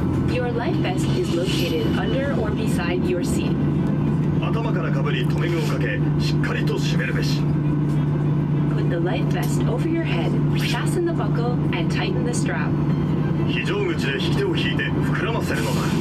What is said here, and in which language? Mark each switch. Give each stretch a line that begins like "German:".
English: Your life vest is located under or beside your seat.
Japanese: 頭からかぶり、留め具をかけ、しっかりと締めるべし。
English: Put the life vest over your head, fasten the buckle, and tighten the strap.
Japanese: 非常口で引き手を引いて膨らませるのだ。